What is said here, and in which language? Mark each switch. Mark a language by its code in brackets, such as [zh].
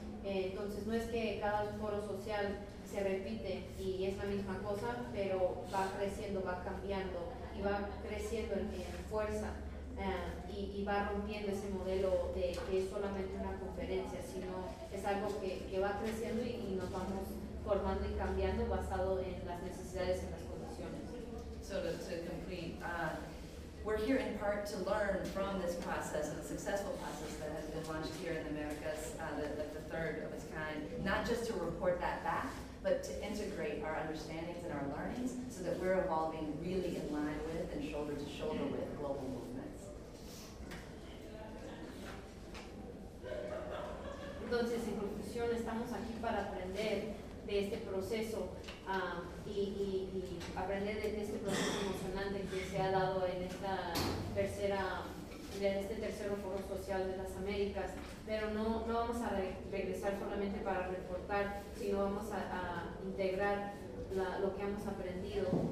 [es] Entonces no es que cada foro social se repite y es la misma cosa, pero va creciendo, va cambiando y va creciendo en fuerza y va rompiendo ese modelo de que es solamente una conferencia, sino es algo que va creciendo y nos vamos formando y cambiando basado en las necesidades y las condiciones. [en] So to complete, we're here in part to learn from this process, a successful process that has been launched here in the Americas, the third of its kind, not just to report that back, but to integrate our understandings and our learnings so that we're evolving really in line with and shoulder to shoulder with global movements. [es] Entonces, en conclusión, estamos aquí para aprender de este proceso y aprender de este proceso emocionante que se ha dado en esta tercer foro social de las Américas, pero no vamos a regresar solamente para reportar, sino vamos a integrar lo que hemos aprendido